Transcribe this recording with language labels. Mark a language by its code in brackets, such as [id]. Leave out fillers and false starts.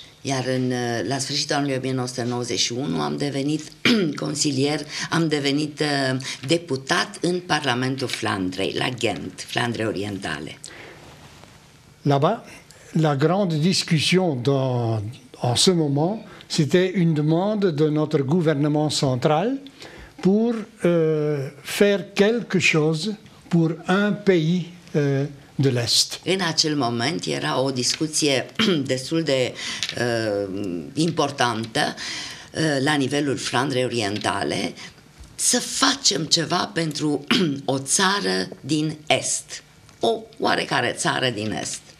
[ro] Iar în, la sfârșitul anului 1991 am devenit consilier, am devenit deputat în Parlamentul Flandrei, la Ghent, Flandrei Orientale. [fr] Là-bas, la grande discussion en ce moment, c'était une demande de notre gouvernement central pour faire quelque chose pour un pays de l'Est. [ro] În acel moment era o discuție destul de importantă la nivelul Flandrei Orientale să facem ceva pentru o țară din Est, o oarecare țară din Est.